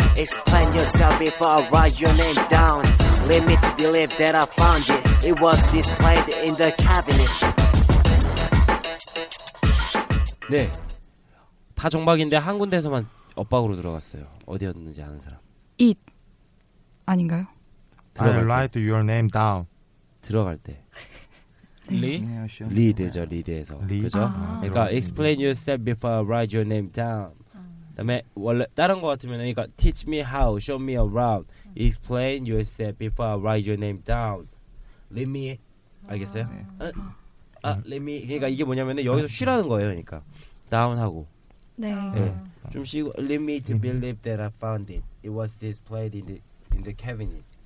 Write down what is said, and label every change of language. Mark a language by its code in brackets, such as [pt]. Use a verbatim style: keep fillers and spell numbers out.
[en] Explain yourself before I write your name down. Let me to believe that I found it. It was displayed in the cabinet. [ko] 네, 다 정박인데 한 군데에서만 엇박으로 들어갔어요. 어디였는지 아는 사람? It 아닌가요? [en] I write your name down. [ko] 들어갈 때 리? 리 되죠, 리 돼서 그죠? 아. 그러니까 [en] explain yourself before I write your name down. [ko] 그다음에 원래 다른 거 같으면 그러니까 [en] teach me how, show me around, explain yourself before I write your name down. Let me [ko] 알겠어요? 아. 어? 아, [en] let me [ko] 그러니까 이게 뭐냐면은 여기서 쉬라는 거예요. 그러니까 다운하고 네. 네. 좀 쉬고 let me to believe that I found it. It was displayed in the in the cabinet.